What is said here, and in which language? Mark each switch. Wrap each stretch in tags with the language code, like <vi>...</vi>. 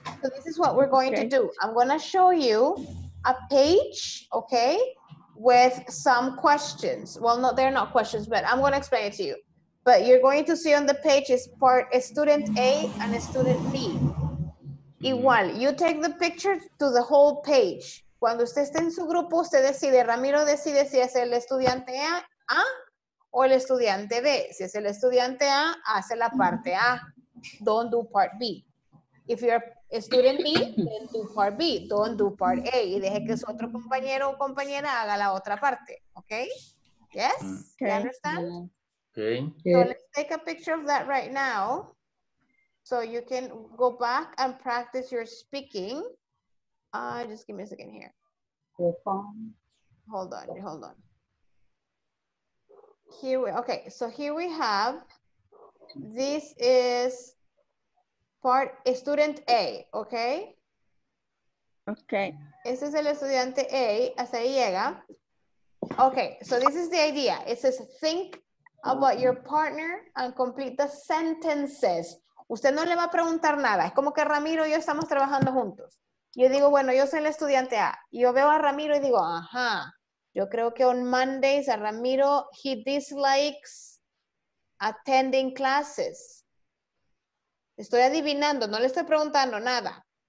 <en>So this is what we're going okay. to do. I'm gonna show you a page, okay, with some questions. Well, no, they're not questions, but I'm gonna explain it to you. But you're going to see on the page is part a student A and a student B. Igual, you take the picture to the whole page.</en> <es>Cuando usted esté en su grupo, usted decide, Ramiro decide si es el estudiante A o el estudiante B. Si es el estudiante A, hace la parte A.</es> <en>Don't do part B. If you're a student B, then do part B. Don't do part A.</en> <es>Y deje que su otro compañero o compañera haga la otra parte.</es> <en>¿Ok? ¿Yes? Okay. You understand? Okay. So let's take a picture of that right now. So you can go back and practice your speaking. Just give me a second here. Hold on, hold on. Here we, okay, so here we have, this is part student A, okay? Okay.</en> <es>Este es el estudiante A, hasta ahí llega.</es> <en>Okay, so this is the idea. It says think about your partner and complete the sentences.</en> <es>Usted no le va a preguntar nada. Es como que Ramiro y yo estamos trabajando juntos. Yo digo, bueno, yo soy el estudiante A. Y yo veo a Ramiro y digo, ajá. Yo creo que</es> <en>on Mondays</en> <es>a Ramiro,</es> <en>he dislikes attending classes.</en> <es>Estoy adivinando, no le estoy preguntando nada.</es>